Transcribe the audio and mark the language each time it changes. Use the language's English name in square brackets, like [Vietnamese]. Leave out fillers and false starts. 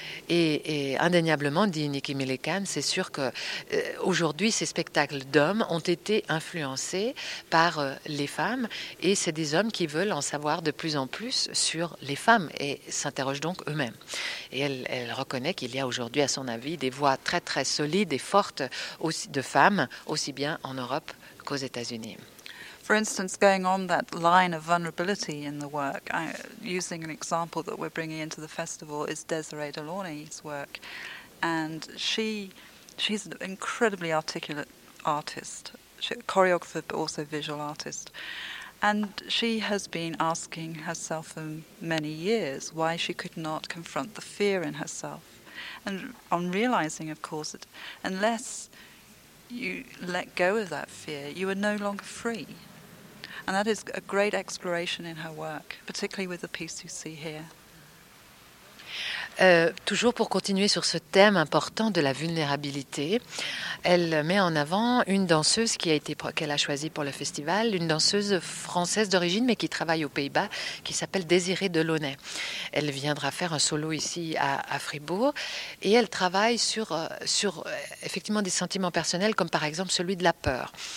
[French] Et indéniablement, dit Nicky Millican, c'est sûr qu'aujourd'hui, ces spectacles d'hommes ont été influencés par les femmes. Et c'est des hommes qui veulent en savoir de plus en plus sur les femmes et s'interrogent donc eux-mêmes. Et elle reconnaît qu'il y a aujourd'hui, à son avis, des voix très, très solides et fortes aussi, de femmes, aussi bien en Europe qu'aux États-Unis. [English] For instance, going on that line of vulnerability in the work, using an example that we're bringing into the festival is Desiree Delaunay's work. And she's an incredibly articulate artist, choreographer, but also visual artist. And she has been asking herself for many years why she could not confront the fear in herself. And on realizing, of course, that unless you let go of that fear, you are no longer free. And that is a great exploration in her work, particularly with the piece you see here. [French] Toujours pour continuer sur ce thème important de la vulnérabilité, elle met en avant une danseuse qu'elle a choisie pour le festival, une danseuse française d'origine mais qui travaille aux Pays-Bas, qui s'appelle Désirée Delaunay. Elle viendra faire un solo ici à Fribourg et elle travaille sur effectivement des sentiments personnels comme par exemple celui de la peur.